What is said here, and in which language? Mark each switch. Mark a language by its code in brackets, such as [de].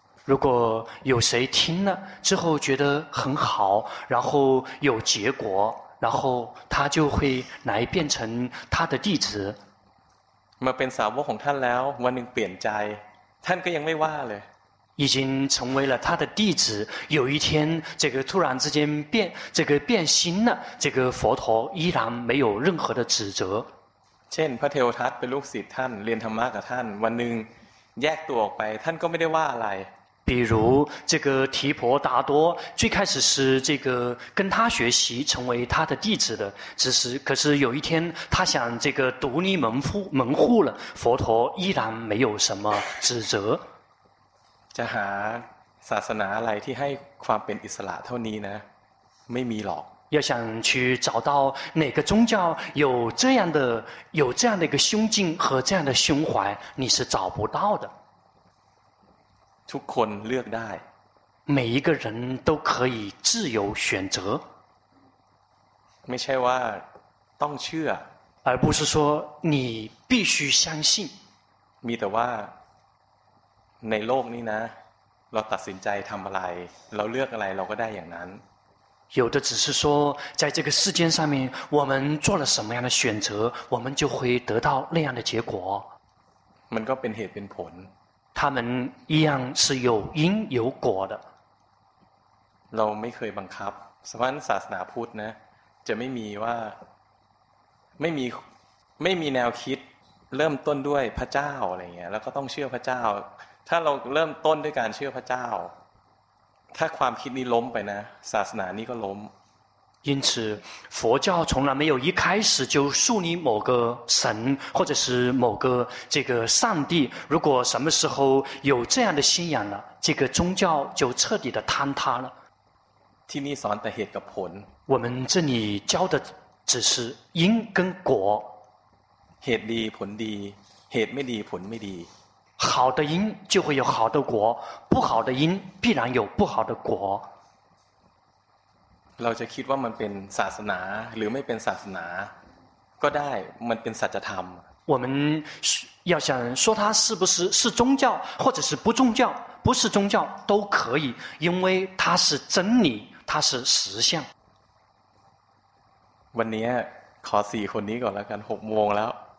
[zh] 如果有谁听了之后觉得很好然后有结果然后他就会来变成他的弟子 [th] มาเป็นสาวกของท่านแล้ววันหนึ่งเปลี่ยนใจท่านก็ยังไม่ว่าเลย [zh] 已经成为了他的弟子，有一天这个突然之间变这个变心了，这个佛陀依然没有任何的指责。 [th] เช่นพระเทวทัตเป็นลูกศิษย์ท่านเรียนธรรมะกับท่านวันหนึ่งแยกตัวออกไปท่านก็ไม่ได้ว่าอะไร [zh] 比如这个提婆达多最开始是这个跟他学习成为他的弟子的只是可是有一天他想这个独立门户了佛陀依然没有什么指责 [th] จะหาศาสนาอะไรที่ให้ความเป็นอิสระเท่านี้นะไม่มีหรอก [zh] 要想去找到哪个宗教有这样的有这样的一个胸襟和这样的胸怀你是找不到的 [th] ทุกคนเลือกได้ [zh] 每一个人都可以自由选择 [th] ไม่ใช่ว่าต้องเชื่อ [zh] 而不是说你必须相信 [th] มีแต่ว่าในโลกนี้นะเราตัดสินใจทำอะไรเราเลือกอะไรเราก็ได้อย่างนั้น [zh] 有的只是说在这个世间上面我们做了什么样的选择我们就会得到那样的结果 [th] มันก็เป็นเหตุเป็นผล [zh] 他们一样是有因有果的 [th] เราไม่เคยบังคับสมัยศาสนาพุทธนะจะไม่มีว่าไม่มีแนวคิดเริ่มต้นด้วยพระเจ้าอะไรเงี้ยแล้วก็ต้องเชื่อพระเจ้าถ้าเราเริ่มต้นด้วยการเชื่อพระเจ้าถ้าความคิดนี้ล้มไปนะศาสนานี้ก็ล้ม [zh] 因此佛教从来没有一开始就树立某个神或者是某个这个上帝如果什么时候有这样的信仰了这个宗教就彻底的坍塌了 [th] ที่นี่สอนแต่เหตุกับผล [zh] 我们这里教的只是因跟果 [th] เหตุดีผลดีเหตุไม่ดีผลไม่ดี [zh] 好的因就会有好的果不好的因必然有不好的果 [th] เราจะคิดว่ามันเป็นศาสนาหรือไม่เป็นศาสนาก็ได้มันเป็นสัจธรรม [zh] 我们要想说它是不是是宗教或者是不宗教不是宗教都可以因为它是真理它是实相 [th] วันนี้ขอสี่คนนี้ก่อนแล้วกัน6โมงแล้ว